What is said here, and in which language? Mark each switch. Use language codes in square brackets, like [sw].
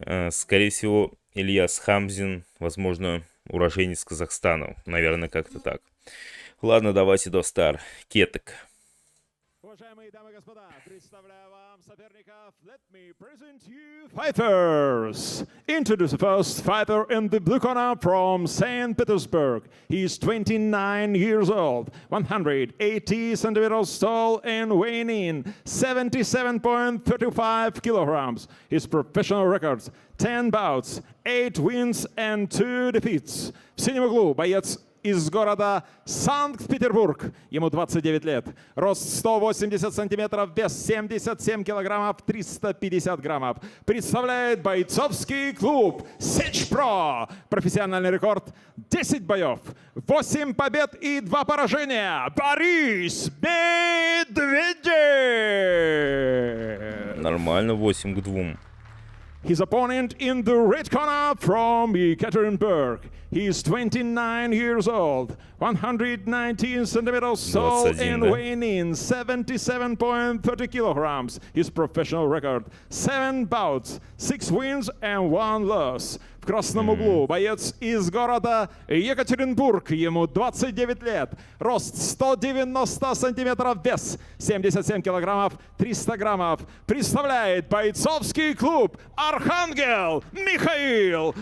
[ru] Скорее всего, Ильяс Хамзин, возможно, уроженец Казахстана. Наверное, как-то так. Ладно, давайте, достар. Кеток. Уважаемые дамы и господа, представляю вам соперников. [en] Let me present you fighters. Introduce the first fighter in the blue corner from St. Petersburg. He's 29 years old, 180 centimeters tall and weighing in 77.35 kilograms. His professional records: 10 bouts, 8 wins and 2 defeats. [ru] В синем углу боец из города Санкт-Петербург. Ему 29 лет. Рост 180 сантиметров, вес 77 килограммов, 350 граммов. Представляет бойцовский клуб «Сечпро». Профессиональный рекорд 10 боев, 8 побед и 2 поражения. Борис Медведев! Нормально, 8 к 2. [en] His opponent in the red corner from Ekaterinburg. He is 29 years old, 119 centimeters tall and weighing in 77.30 kilograms. His professional record: 7 bouts, 6 wins and 1 loss. [ru] В красном углу боец из города Екатеринбург. Ему 29 лет. Рост 190 сантиметров, вес 77 килограммов, 300 граммов. Представляет бойцовский клуб «Архангел» Михаил.